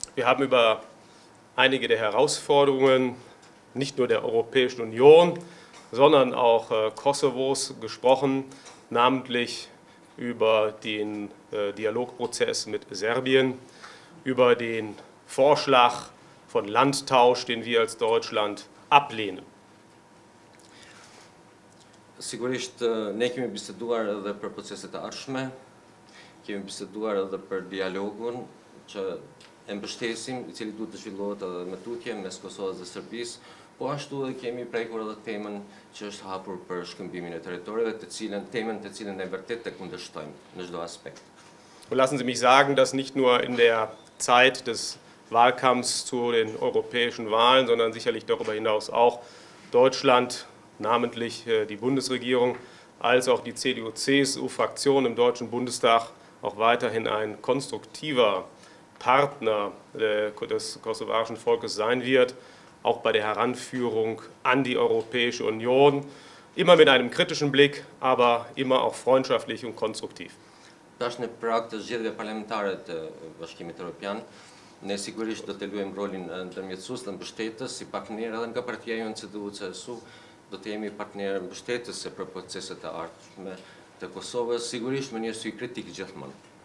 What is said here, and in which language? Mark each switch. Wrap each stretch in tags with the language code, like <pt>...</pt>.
<de>Wir haben über einige der Herausforderungen nicht nur der Europäischen Union, sondern auch Kosovos gesprochen, namentlich über den Dialogprozess mit Serbien, über den Vorschlag von Landtausch, den wir als Deutschland ablehnen.</de> <sq>Sigurisht, ne kemi biseduar edhe për proceset e arshme, kemi biseduar edhe për dialogun që e mbështesim, i cili duhet të zhvillohet edhe me tutje, mes Kosovës dhe Serbisë, po ashtu edhe kemi prekur edhe temën që është hapur për shkëmbimin e territoreve, të cilën temën të cilën ne vërtet të kundërshtojmë në çdo aspekt.</sq> <de>Und lassen Sie mich sagen, dass nicht nur in der Zeit des Wahlkampfs zu den europäischen Wahlen, sondern sicherlich darüber hinaus auch Deutschland, namentlich die Bundesregierung, als auch die CDU-CSU-Fraktion im Deutschen Bundestag auch weiterhin ein konstruktiver Partner des kosovarischen Volkes sein wird, auch bei der Heranführung an die Europäische Union, immer mit einem kritischen Blick, aber immer auch freundschaftlich und konstruktiv.</de> <sq>Tash në prag të zgjedhjeve parlamentare të Bashkimit Evropian, ne sigurisht do të luajmë rolin ndërmjetësues dhe mbështetës, si partner edhe nga partia jonë CDU-CSU, do të jemi partner mbështetës për proceset e ardhshme të Kosovës, sigurisht me një sy kritik gjithmonë.</sq>